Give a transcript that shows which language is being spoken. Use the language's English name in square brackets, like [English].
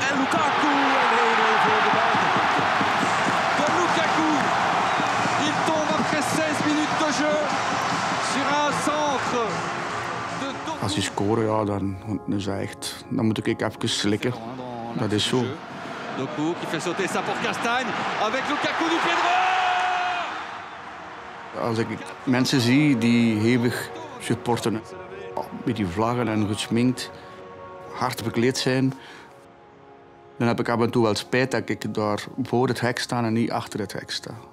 [Dutch] En Lukaku, en 1-0 voor de Belgen. [French] De Lukaku, il tombe après 16 minutes de jeu sur un centre. [Dutch] Als je scoren, ja, dan is dat echt. Dan moet ik even slikken. Dat is zo. [French] Doku, qui fait sauter ça pour Castagne, avec Lukaku du Pedro. [Dutch] Als ik mensen zie die hevig supporten, met die vlaggen en gesminkt, hard bekleed zijn, dan heb ik af en toe wel spijt dat ik daar voor het hek sta en niet achter het hek sta.